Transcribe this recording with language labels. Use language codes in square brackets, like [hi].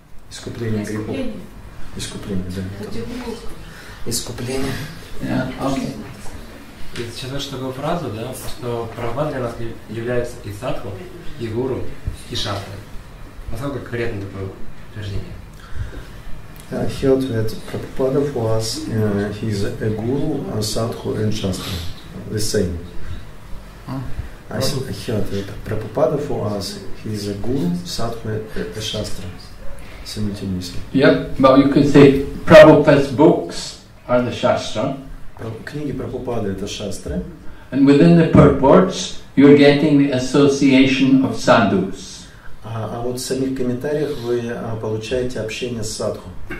[ru] Искупление грехов. Искупление, да. Искупление. Окей. Я сейчас скажу такую фразу, да, что Прабхупада для нас является и садху, и гуру, и шатрой. Насколько конкретно такое утверждение? [en] He held that Prabhupada for us, he is a guru, a sadhu, and shastra, the same. I held that Prabhupada for us, he is a guru, sadhu, and a shastra, simultaneously. Yep, but you could say Prabhupada's books are the shastra. [ru] Книги Прабхупады это шастры. [en] And within the purports, you're getting the association of sadhus. [ru] А вот в самих комментариях вы получаете общение с садху.